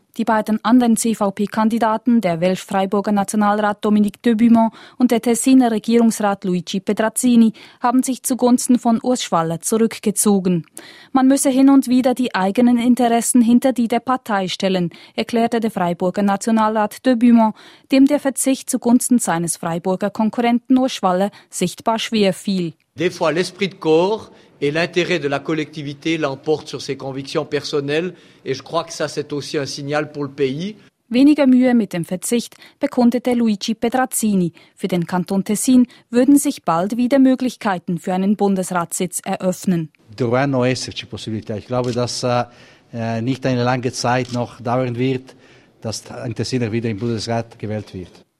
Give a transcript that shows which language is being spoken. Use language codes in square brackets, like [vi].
[de] Die beiden anderen CVP-Kandidaten, der Welsh-Freiburger Nationalrat Dominique de Buimont und der Tessiner Regierungsrat Luigi Pedrazzini, haben sich zugunsten von Urs Schwaller zurückgezogen. Man müsse hin und wieder die eigenen Interessen hinter die der Partei stellen, erklärte der Freiburger Nationalrat de Buimont, dem der Verzicht zugunsten seines Freiburger Konkurrenten Urs Schwaller sichtbar schwer fiel. [fr] Des fois l'esprit de corps et l'intérêt de la collectivité l'emporte sur ses convictions personnelles et je crois que ça c'est aussi un signal pour le pays. [de] Weniger Mühe mit dem Verzicht bekundete Luigi Pedrazzini. Für den Kanton Tessin würden sich bald wieder Möglichkeiten für einen Bundesratssitz eröffnen. [it] Dovranno esserci possibilità. [de] Ich glaube, dass nicht eine lange Zeit noch dauern wird, dass ein Tessiner wieder im Bundesrat gewählt wird.